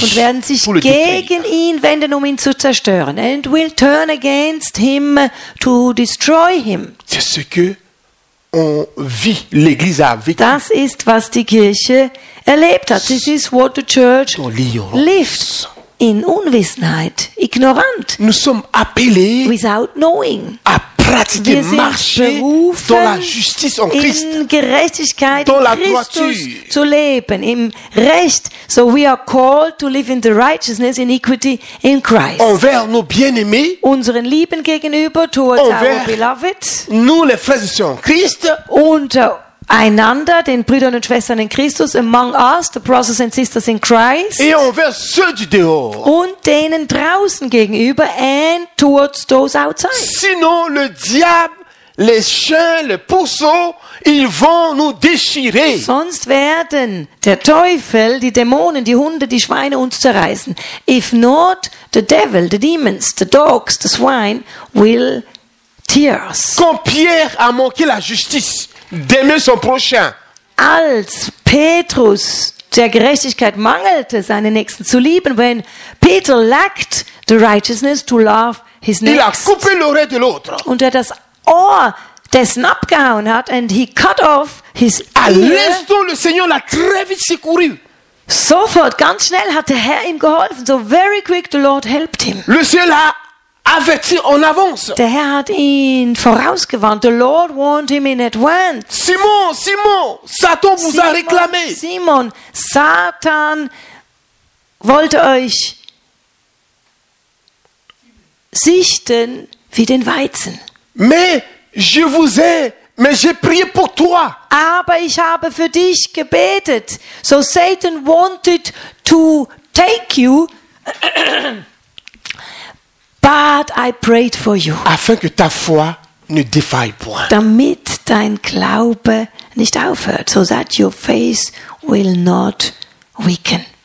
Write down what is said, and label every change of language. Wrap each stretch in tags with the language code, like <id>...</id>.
<de>Und werden sich gegen ihn wenden, ihn zu zerstören.</de> <en>And will turn against him to destroy him.</en> <fr>C'est ce que on vit, l'Église a vécu.</fr> <de>Das ist, was die Kirche erlebt hat.</de> <en>This is what the church lived in Unwissenheit, ignorant.</en> <fr>Nous sommes appelés</fr> <en>without knowing.</en> <fr>À pratiquer, marcher dans la justice en Christ,</fr> <de>in Gerechtigkeit,</de> <fr>dans la droiture,</fr> <de>zu leben im Recht.</de> <en>So we are called to live in the righteousness, in equity, in Christ.</en> <fr>Envers nos bien-aimés,</fr> <de>unseren Lieben gegenüber,</de> <en>towards our beloved,</en> <fr>nous les frères et sœurs en Christ,</fr> <de>untereinander, den Brüdern und Schwestern in Christus,</de> <en>among us, the brothers and sisters in Christ,</en> <fr>et envers ceux du dehors,</fr> <de>und denen draußen gegenüber,</de> <en>and towards those outside.</en> <fr>Sinon, le diable, les chiens, les pourceaux, ils vont nous déchirer.</fr> <de>Sonst werden der Teufel, die Dämonen, die Hunde, die Schweine uns zerreißen.</de> <en>If not, the devil, the demons, the dogs, the swine will tear us.</en> <fr>Quand Pierre a manqué la justice d'aimer son prochain,</fr> <de>als Petrus der Gerechtigkeit mangelte, seinen Nächsten zu lieben,</de> <en>when Peter lacked the righteousness to love his next,</en> <fr>il a coupé l'oreille de l'autre.</fr> <de>Und das Ohr dessen abgehauen hat,</de> <en>and he cut off his ear.</en> <fr>À l'instant, le Seigneur l'a très vite secouru.</fr> <de>Sofort, ganz schnell hat der Herr ihm geholfen.</de> <en>So very quick the Lord helped him.</en> <fr>Le Seigneur l'a averti en avance.</fr> <de>Der Herr hat ihn vorausgewarnt.</de> <en>The Lord warned him in advance.</en> <fr>Simon, Simon, Satan vous Simon, a réclamé.</fr> <de>Simon, Satan wollte euch sichten wie den Weizen.</de> <fr>Mais je vous ai, mais j'ai prié pour toi.</fr> <de>Aber ich habe für dich gebetet.</de> <en>So Satan wanted to take you, but I prayed for you.</en> <fr>Afin que ta foi ne défaille point.</fr> <de>Damit dein Glaube nicht aufhört.</de> <en>So that your faith will not weaken.</en>